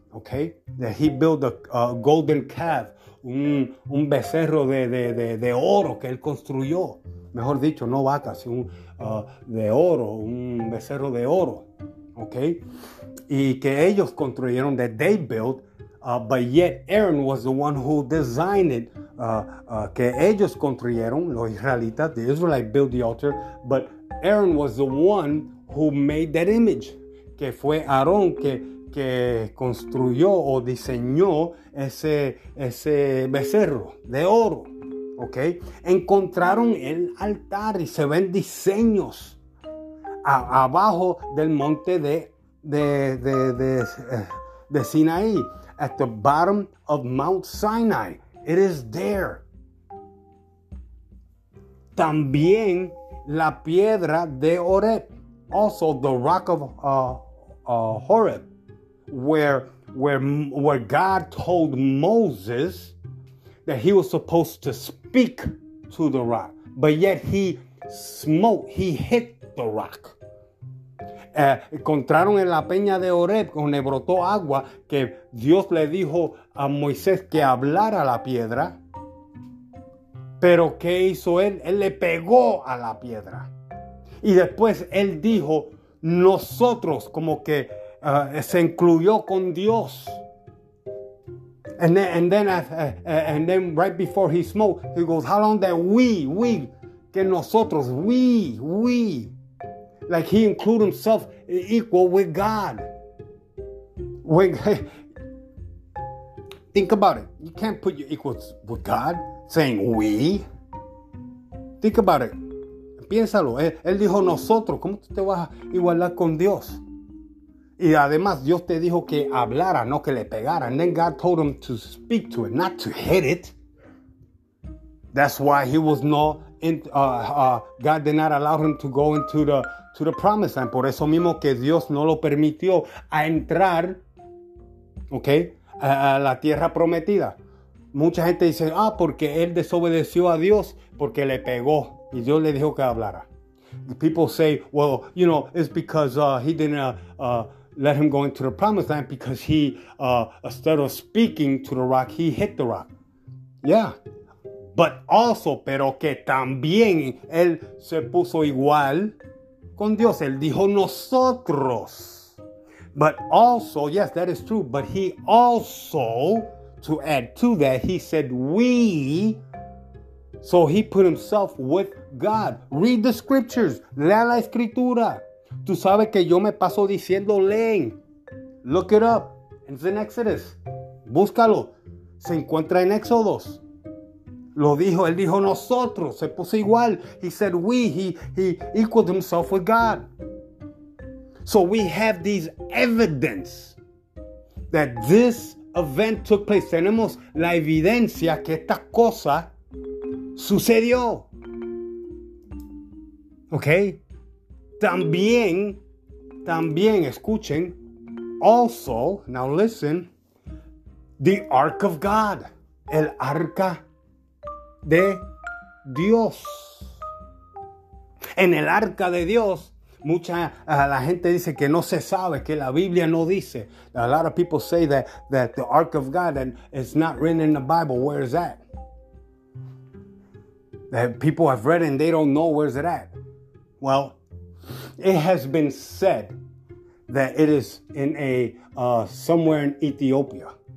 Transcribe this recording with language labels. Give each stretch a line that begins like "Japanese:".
Spanish: Okay,
English: that he built a golden calf,
Spanish: un becerro de oro que él construyó. Mejor dicho, no vaca, sino de oro, un becerro de oro.
English: Okay,
Spanish: y que ellos construyeron,
English: that they built, but yet Aaron was the one who designed it.
Spanish: Que ellos construyeron, los israelitas,
English: the Israelites built the altar, but Aaron was the one who made that image.
Spanish: Que fue Aarón que construyó o diseñó ese becerro de oro. Okay? Encontraron el altar y se ven diseños abajo del monte de Sinaí,
English: at the bottom of Mount Sinai. It is there.
Spanish: También la piedra de Horeb,
English: also the rock of Horeb, where God told Moses that he was supposed to speak to the rock, but yet he hit the rock.
Spanish: Encontraron en la peña de Horeb, donde brotó agua, que Dios le dijo a Moisés que hablara la piedra, pero ¿qué hizo él? Él le pegó a la piedra. Y después él dijo, nosotros, como que se incluyó con Dios.
English: And then right before he smoked, he goes, how long that we,
Spanish: que nosotros,
English: we, like he include himself equal with God. When, think about it. You can't put your equals with God saying we. Think about it.
Spanish: Piénsalo. Él dijo nosotros. ¿Cómo tú te vas a igualar con Dios? Y además Dios te dijo que hablara, no que le pegara.
English: And then God told him to speak to it, not to hit it. That's why he was not in, God did not allow him to go into the promised land.
Spanish: Por eso mismo que Dios no lo permitió a entrar, okay, a la tierra prometida. Mucha gente dice, porque él desobedeció a Dios, porque le pegó y Dios le dijo que hablara.
English: People say, well, you know, it's because he didn't let him go into the promised land because he, instead of speaking to the rock, he hit the rock.
Spanish: Yeah.
English: But also,
Spanish: pero que también él se puso igual con Dios. Él dijo nosotros.
English: But also, yes, that is true. But he also, to add to that, he said we. So he put himself with God. Read the scriptures.
Spanish: Lea la escritura. Tú sabes que yo me paso diciendo leen.
English: Look it up. It's in Exodus.
Spanish: Búscalo. Se encuentra en Éxodos. Lo dijo, él dijo nosotros, se puso igual.
English: He said we, he equaled himself with God. So we have these evidence that this event took place.
Spanish: Tenemos la evidencia que esta cosa sucedió.
English: Okay?
Spanish: También, escuchen,
English: also, now listen, the Ark of God,
Spanish: el Arca de Dios. En el arca de Dios, mucha la gente dice que no se sabe, que la Biblia no dice.
English: A lot of people say that the Ark of God and it's not written in the Bible. Where is that? That people have read and they don't know where is it at. Well, it has been said that it is in a somewhere in Ethiopia.